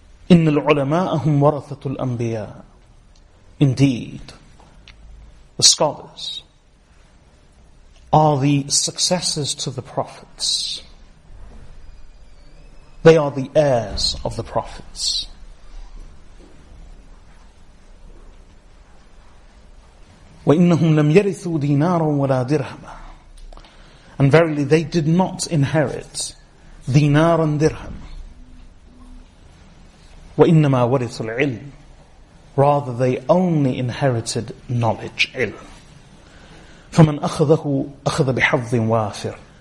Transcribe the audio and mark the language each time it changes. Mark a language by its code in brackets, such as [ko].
[ar] إن العلماء هم ورثة الأنبياء. [en] Indeed, the scholars are the successors to the prophets. They are the heirs of the prophets. [ar] وإنهم لم يرثوا دينارا ولا درهما. [en] And verily, they did not inherit دينار and درهم. [ar] وَإِنَّمَا وَرِثُ الْعِلْمِ. [en] Rather, they only inherited knowledge, ilm. [ar] فَمَنْ أَخَذَهُ أَخَذَ بِحَظٍ وَافِرٍ.